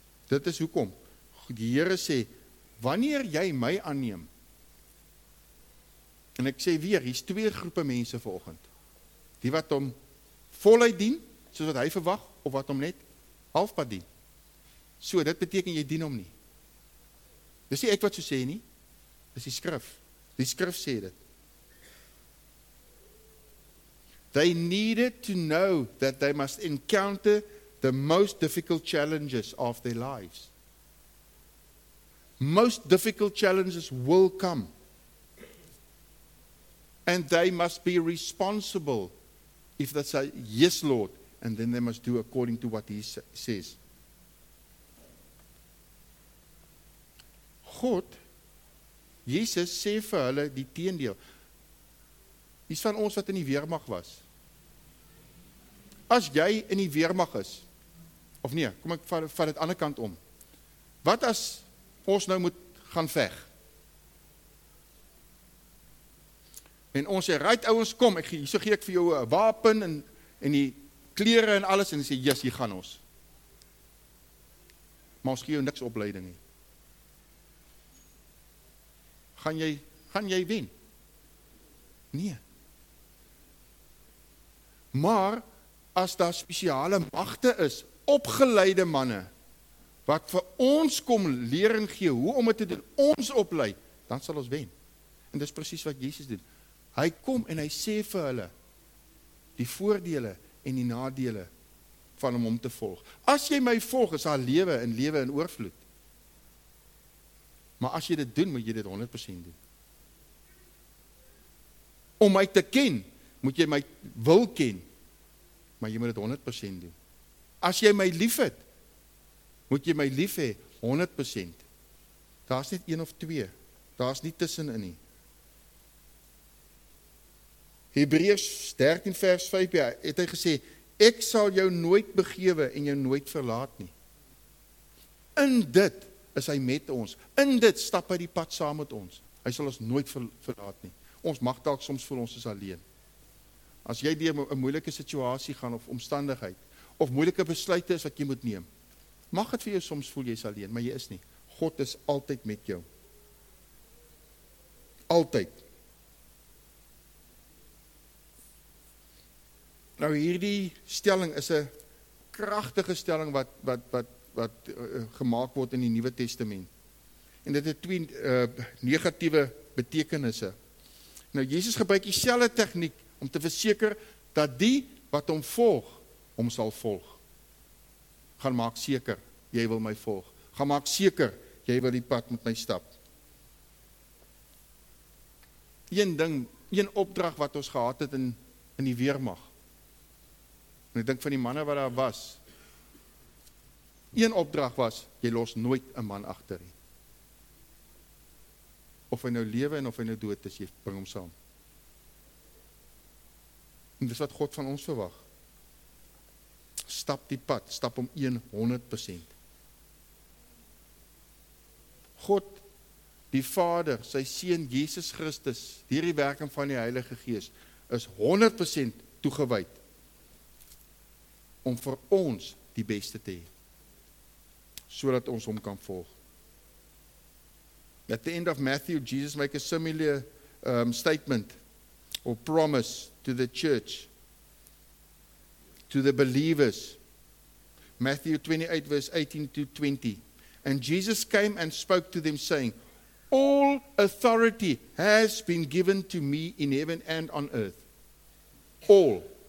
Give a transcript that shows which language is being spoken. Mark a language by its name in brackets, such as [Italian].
[Afrikaans] Dit is hoekom. Die Here sê, wanneer jy my aanneem, en ek sê weer, hier's twee groepe mense vanoggend. Die wat hom voluit dien, soos wat hy verwag, of wat hom net halfpad dien. So, dit beteken jy dien hom nie. Dis nie ek wat so sê nie, dis die skrif. Die skrif sê dit. [English] They needed to know that they must encounter the most difficult challenges of their lives. Most difficult challenges will come. And they must be responsible if they say, yes, Lord, and then they must do according to what he says. [Afrikaans] God, Jesus, sê vir hulle die teendeel. Iets van ons wat in die weermag was. As jy in die weermag is, of nee, kom ek vat dit ander kant om. Wat as ons nou moet gaan veg? En ons sê, ruit ouwens, kom, so gee ek vir jou een wapen en die kleren en alles, en sê, yes, hier gaan ons. Maar ons gee jou niks opleiding nie. Gaan jy wen? Nee. Maar, as daar spesiale magte is, opgeleide manne, wat vir ons kom leer en gee, hoe om het te doen, ons oplei, dan sal ons wen. En dis precies wat Jesus doen. Hy kom en hy sê vir hulle, die voordele en die nadele, van om te volg. As jy my volg, is haar lewe en lewe in oorvloed. Maar as jy dit doen, moet jy dit 100% doen. Om my te ken, moet jy my wil ken, maar jy moet dit 100% doen. As jy my lief het, moet jy my lief hê 100%. Daar is net een of twee, daar is nie tussenin nie. Hebreërs 13 vers 5, ja, het hy gesê, ek sal jou nooit begewe en jou nooit verlaat nie. In dit is hy met ons, in dit stap hy die pad saam met ons, hy sal ons nooit verlaat nie. Ons mag dalk soms voel ons is alleen. As jy deur 'n moeilike situasie gaan of omstandigheid, of moeilike besluite is wat jy moet neem, mag het vir jou soms voel jy is alleen, maar jy is nie. God is altyd met jou. Altyd. Nou hierdie stelling is 'n kragtige stelling wat gemaak word in die Nuwe Testament. En dit het twee negatiewe betekenisse. Nou, Jesus gebruik dieselfde tegniek om te verseker dat die wat hom volg, hom sal volg. Gaan maak seker, jy wil my volg. Gaan maak seker, jy wil die pad met my stap. Een ding, een opdrag wat ons gehad het in die weermag. En ek dink van die manne wat daar was. Een opdrag was, jy los nooit 'n man agter nie. Of hy nou lewe en of hy nou dood is, jy bring hom saam. En dis wat God van ons verwag. Stap die pad, stap om 100%. God, die Vader, sy Seun Jesus Christus, hierdie werking van die Heilige Gees, is 100% toegewyd om vir ons die beste te hê, sodat ons hom kan volg. [English] At the end of Matthew, Jesus make a similar statement or promise to the church, to the believers. Matthew 28, verse 18 to 20. And Jesus came and spoke to them, saying, "All authority has been given to me in heaven and on earth. All.